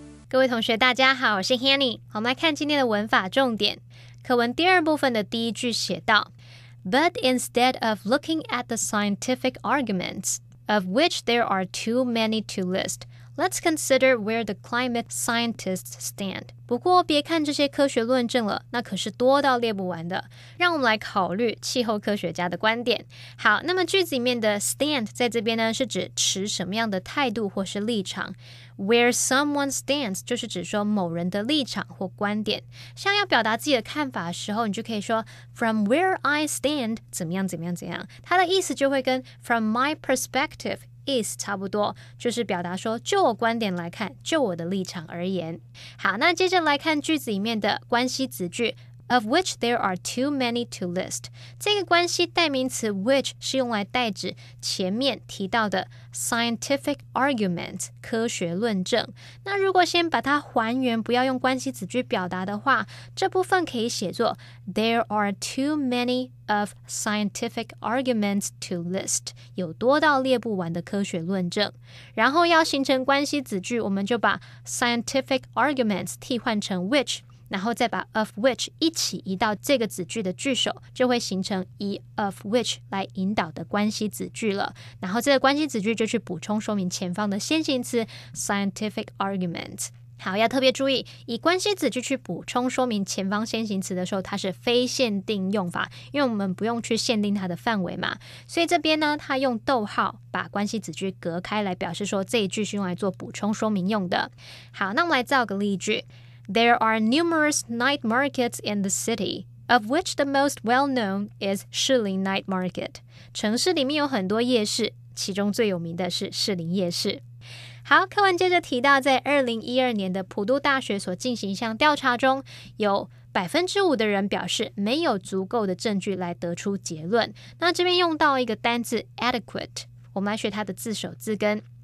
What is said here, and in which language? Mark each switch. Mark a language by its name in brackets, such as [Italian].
[English] Hello, everyone. I'm Hanny. Let's look at today's grammar [Chinese] 重点。课文第二部分的第一句写道 [English] But instead of looking at the scientific arguments... of which there are too many to list. Let's consider where the climate scientists stand. [Chinese] 不过别看这些科学论证了，那可是多到列不完的。让我们来考虑气候科学家的观点。好，那么句子里面的 stand 在这边呢，是指持什么样的态度或是立场。 [English] Where someone stands [Chinese] 就是指说某人的立场或观点。像要表达自己的看法的时候，你就可以说 [English] from where I stand [Chinese] 怎么样怎么样怎么样。它的意思就会跟 [English] from my perspective is [Chinese] 差不多，就是表达说就我观点来看，就我的立场而言。好，那接着来看句子里面的关系子句。 [English] Of which there are too many to list. [Chinese] 这个关系代名词 which 是用来代指前面提到的 scientific argument, 科学论证。那如果先把它还原，不要用关系子句表达的话，这部分可以写作 [English] There are too many of scientific arguments to list. [Chinese] 有多到列不完的科学论证。然后要形成关系子句，我们就把 scientific arguments 替换成 which,然后再把 [English] of which [Chinese] 一起移到这个子句的句首，就会形成以 of which 来引导的关系子句了。然后这个关系子句就去补充说明前方的先行词 scientific argument。好，要特别注意，以关系子句去补充说明前方先行词的时候，它是非限定用法，因为我们不用去限定它的范围嘛。所以这边呢，它用逗号把关系子句隔开来表示说这一句是用来做补充说明用的。好，那我们来造个例句。 [English] There are numerous night markets in the city, of which the most well-known is 士林 Night Market. [Chinese] 城市里面有很多夜市，其中最有名的是士林夜市。好，课文接着提到，在2012年的普渡大学所进行一项调查中，有 5% 的人表示没有足够的证据来得出结论。那这边用到一个单字 adequate， 我们来学它的字首字根。